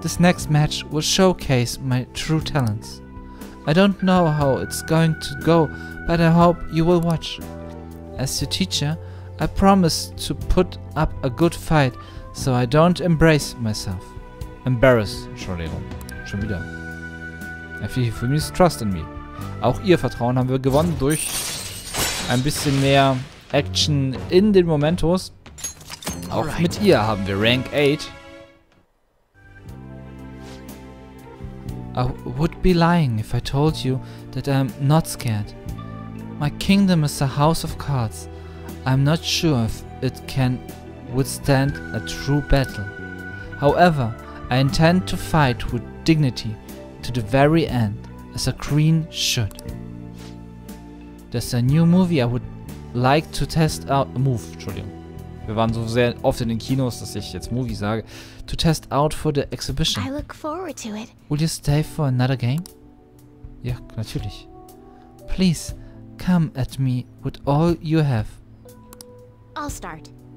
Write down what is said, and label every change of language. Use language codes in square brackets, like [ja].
[en] This next match will showcase my true talents. I don't know how it's going to go, but I hope you will watch. As your teacher, I promise to put up a good fight, so I don't embrace myself. [de] Embarrass, Entschuldigung. Schon wieder. Er fiel für mich [en] Trust in me. [de] Auch ihr Vertrauen haben wir gewonnen durch ein bisschen mehr Action in den Momentos. Auch mit ihr haben wir Rank 8. [en] I would be lying if I told you that I'm not scared. My kingdom is a house of cards. I'm not sure if it can withstand a true battle. However, I intend to fight with dignity to the very end, as a queen should. There's a new movie I would like to test out. [de] Move, Entschuldigung. Wir waren so sehr oft in den Kinos, dass ich jetzt Movie sage. [en] To test out for the exhibition. I look forward to it. Will you stay for another game? [de] Ja, natürlich. [en] Please. Come at me with all you have. I'll start.